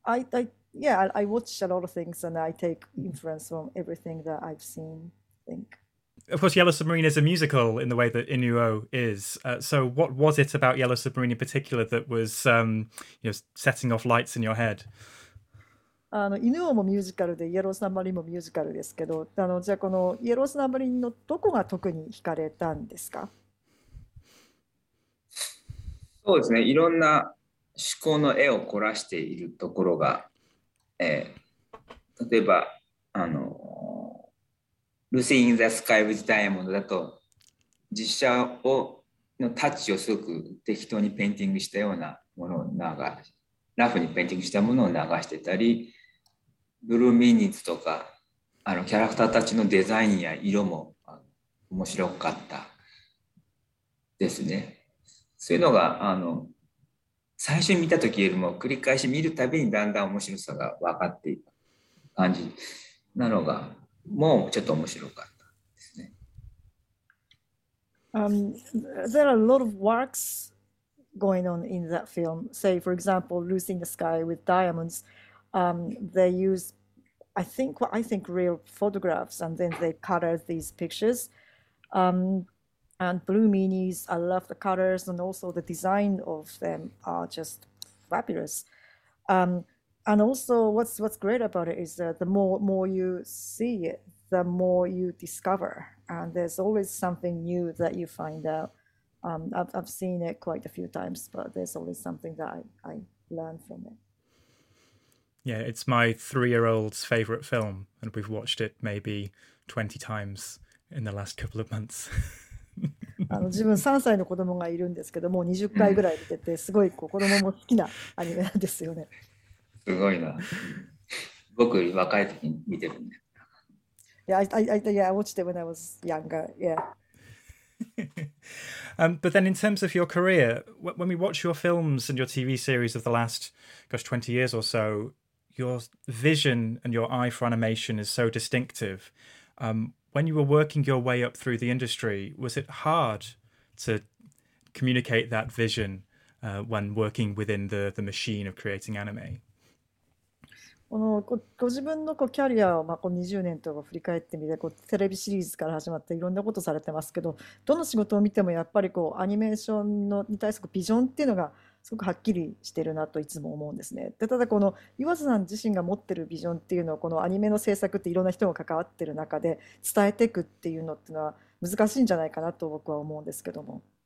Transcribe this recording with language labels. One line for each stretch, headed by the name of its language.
English: I watch a lot of things and I take influence from everything that I've seen. I think. Of course, Yellow Submarine is a musical in the way that Inuo is. So, what was it about Yellow Submarine in particular that was, setting off lights in your head?
Japanese: あの犬王もミュージカルでイエローサンマリンもミュージカルですけどあのじゃあこのイエローサンマリンのどこが特に惹かれたんですかそうですねいろんな趣向の絵を凝らしているところが、例えばあのルシー・イン・ザ・スカイ・ウィズ・ダイヤモンドだと実写をのタッチをすごく適当にペインティングしたようなものを流してラフにペインティングしたものを流してたり、ブルーミニッツとか、あのキャラクターたちのデザインや色も面白かったですね。そういうのが、あの最初に見たときよりも繰り返し見るたびにだんだん面白さが分かっていく感じなのが、もうちょっと面白かったですね。
English: There are a lot of works. Going on in that film, say for example, Losing the Sky with Diamonds, they use, I think real photographs, and then they color these pictures. And Blue Meanies, I love the colors, and also the design of them are just fabulous. And also, what's great about it is that the more you see it, the more you discover, and there's always something new that you find out. I've seen it quite a few times, but there's always something that I learn from it. Yeah, it's my 3-year-old's favorite film, and we've watched it maybe 20 times in the last couple of months.
Japanese: 自分3歳の子供がいるんですけど、もう20回ぐらい見てて、すごいこう子供も好きなアニメなんですよね。すごいな。僕より若い時に見てるんで。
English: Yeah, I watched it when I was younger, yeah. But then in terms of your career, when we watch your films and your TV series of the last, gosh, 20 years or so, your vision and your eye for animation is so distinctive. When you were working your way up through the industry, was it hard to communicate that vision when working within the machine of creating anime?
Japanese: このご自分のこうキャリアをまあこう20年とか振り返ってみて、こうテレビシリーズから始まっていろんなことされてますけど、どの仕事を見てもやっぱりこうアニメーションのに対するビジョンっていうのがすごくはっきりしてるなといつも思うんですね。でただこの岩瀬さん自身が持ってるビジョンっていうのを、このアニメの制作っていろんな人が関わってる中で伝えていくっていうのっていうのは難しいんじゃないかなと僕は思うんですけども。